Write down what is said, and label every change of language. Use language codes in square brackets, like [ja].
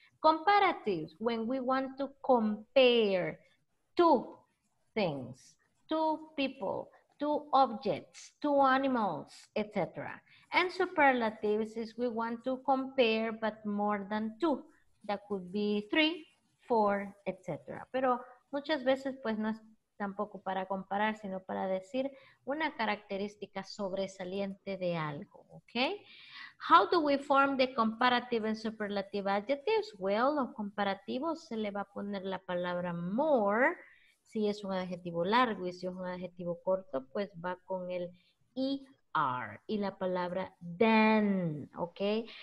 [en] Comparatives, when we want to compare two things, two people, two objects, two animals, etc. And superlatives is we want to compare, but more than two. That could be three, four, etc. [es] Pero muchas veces, pues no es tampoco para comparar, sino para decir una característica sobresaliente de algo, okay? [en] How do we form the comparative and superlative adjectives? [es] Well, los comparativos se le va a poner la palabra more. Si es un adjetivo largo y si es un adjetivo corto, pues va con el ER y la palabra than, okay?